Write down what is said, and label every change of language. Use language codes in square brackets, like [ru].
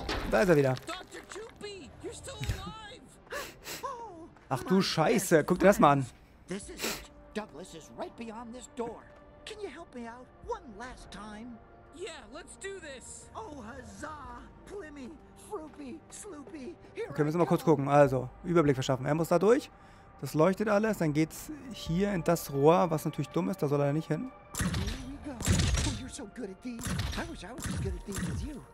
[de] Da ist er wieder. Ach du Scheiße, guck dir das mal an. [en] This is it. Douglas is right beyond this door. Can you help me out one last time? Yeah, let's do this. Oh, huzzah. Plimmy, Froopy, Sloopy. Okay, [de] müssen wir mal kurz gucken. Also, Überblick verschaffen. Er muss da durch. Das leuchtet alles, dann geht's hier in das Rohr, was natürlich dumm ist, da soll er nicht hin. [en] So good at these. I wish I was as good at these as you.